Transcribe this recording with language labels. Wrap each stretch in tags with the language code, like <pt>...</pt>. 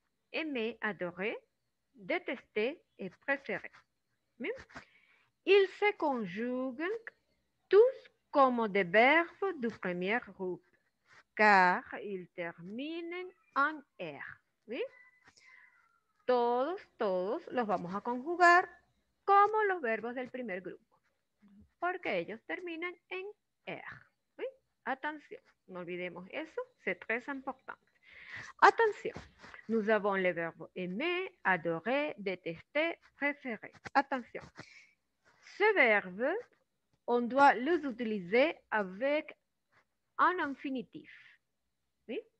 <fr>Aimer, adorer, détester et préférer. ¿Sí? Ils se conjuguent tous comme des verbes du premier groupe, car ils terminent en R.</fr> <es>¿Sí? Todos los vamos a conjugar como los verbos del primer grupo, porque ellos terminan en R. ¿Sí? Atención, no olvidemos eso,</es> <fr>c'est très important. Attention, nous avons le verbe aimer, adorer, détester, préférer. Attention, ce verbe, on doit les utiliser avec un infinitif. Oui?</fr>